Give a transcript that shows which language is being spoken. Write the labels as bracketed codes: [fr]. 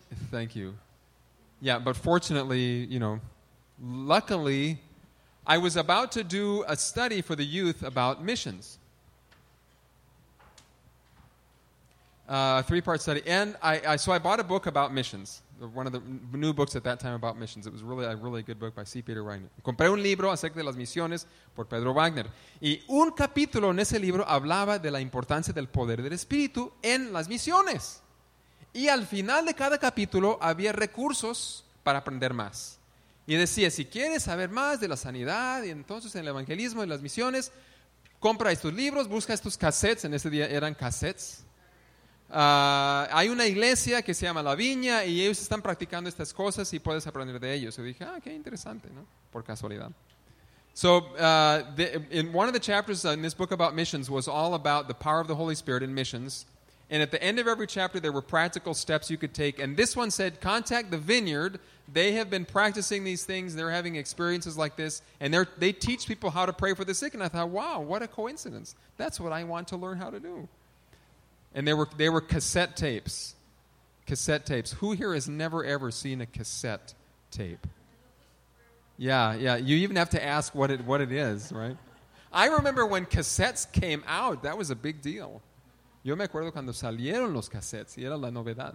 [en] Thank you. Yeah, but fortunately, you know, luckily, I was about to do a study for the youth about missions. A three-part study. And I bought a book about missions. One of the new books at that time about missions. It was really a really good book by C. Peter Wagner. [es] Compré un libro acerca de las misiones por Pedro Wagner. Y un capítulo en ese libro hablaba de la importancia del poder del Espíritu en las misiones. Y al final de cada capítulo había recursos para aprender más. Y decía, si quieres saber más de la sanidad, y entonces en el evangelismo y las misiones, compra estos libros, busca estos cassettes. En ese día eran cassettes. Hay una iglesia que se llama La Viña y ellos están practicando estas cosas y puedes aprender de ellos. Y dije, ah, qué interesante, ¿no? Por casualidad. [en] So, in one of the chapters in this book about missions was all about the power of the Holy Spirit in missions. And at the end of every chapter, there were practical steps you could take. And this one said, contact the Vineyard. They have been practicing these things. They're having experiences like this. And they teach people how to pray for the sick. And I thought, wow, what a coincidence. That's what I want to learn how to do. And they were cassette tapes. Cassette tapes. Who here has never, ever seen a cassette tape? Yeah, yeah. You even have to ask what it is, right? I remember when cassettes came out. That was a big deal. [es] Yo me acuerdo cuando salieron los cassettes. Y era la novedad.